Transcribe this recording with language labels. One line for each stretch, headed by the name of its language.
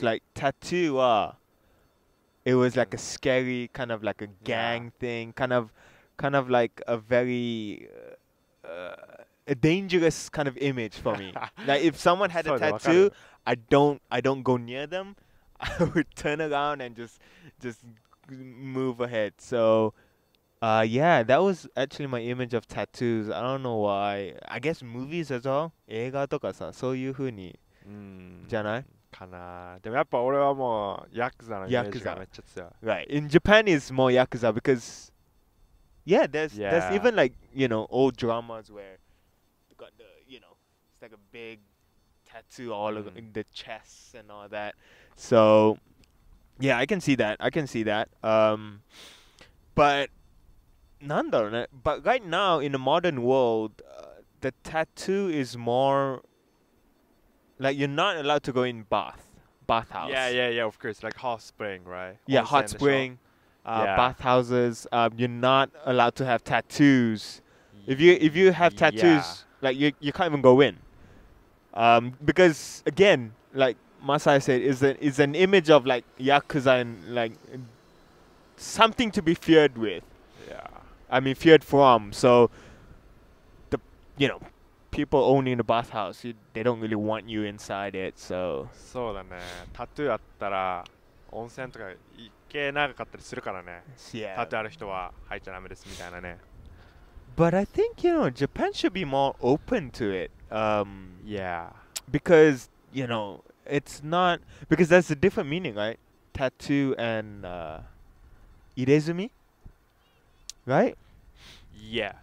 English: Like tattoo, it was like a scary kind of like a gang thing, kind of like a very a dangerous kind of image for me. Like if someone had a tattoo, I don't go near them. I would turn around and just move ahead. So Yeah, that was actually my image of tattoos. I don't know why. I guess movies as well.
Japanese: 映画とかさ、そういう風に、じゃない? かな。でもやっぱ俺はもうヤクザのイメージがめっちゃ強い。
English: Right. In Japan, it's more Yakuza because, yeah, there's even like, you know, old dramas where you got the, you know, it's like a big tattoo all over the chest and all that. So, yeah, I can see that. I can see that. But...
Japanese: なんだろうね
English: But right now, in the modern world,、the tattoo is more... Like, you're not allowed to go in bathhouse. Yeah, yeah, yeah, of course. Like, hot spring, right? Yeah, hot spring, bathhouses.、you're not allowed to have tattoos. If you have tattoos,、yeah. like, you can't even go in.、because, again, like Masaya said, it's an image of, like, Yakuza and, like, something to be feared with. I mean, feared from, so, the, you know, people owning the bathhouse, they don't really want you inside it, so...
Japanese: そうだね。タトゥーあったら、温泉とか行け長かったりするからね。
English: Yeah.
Japanese: タトゥーある人は入っちゃダメですみたいなね。
English: But I think, you know, Japan should be more open to it. Yeah. Because, you know, it's not... Because that's a different meaning, right? Tattoo and, 入れ墨?Right? Yeah.